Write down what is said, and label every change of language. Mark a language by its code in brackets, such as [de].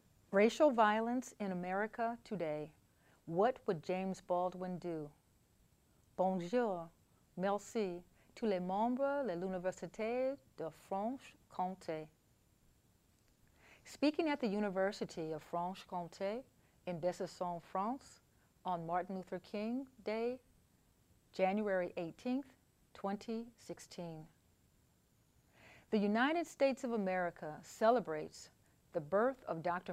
[en] Racial violence in America today. What would James Baldwin do? [fr] Bonjour, merci, tous les membres de l'Université de Franche-Comté. [en] Speaking at the University of Franche-Comté in Besançon, France, on Martin Luther King Day, January 18, 2016. The United States of America celebrates the birth of Dr.